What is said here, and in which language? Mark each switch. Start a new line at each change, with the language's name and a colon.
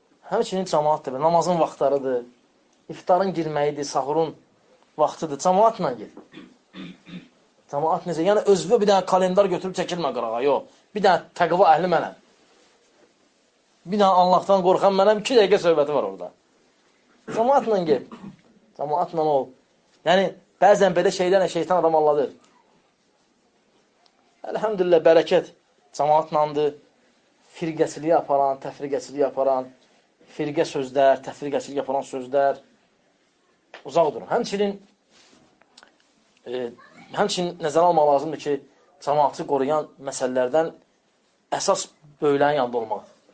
Azerbaijani: Həmçinin cəmaatdır. Namazın vaxtlarıdır. İftarın girməyidir, sahurun vaxtıdır. Cəmaatla gir. Cəmaat necə? Yəni özvə bir dənə kalendar götürüb çəkilmə qırağa. Yox. Bir dənə təqva əhli mənəm. Bir dənə Allahdan qorxan mənəm. İki dəqiqə söhbəti var orada.
Turkish: Cemaatla gel. Cemaatla ol. Yani bazen böyle şeyden şeytan adam alladır. Elhamdülillah bereket cemaatlandı.
Azerbaijani: Firqəçiliyi aparan, təfriqəçiliyi aparan, firqə sözlər, təfriqəçiliyi aparan sözlər uzaq durun. Həmçinin nəzərə almaq lazımdır ki, cemaatı qoruyan məsələlərdən əsas böyüklərin yanında olmaqdır.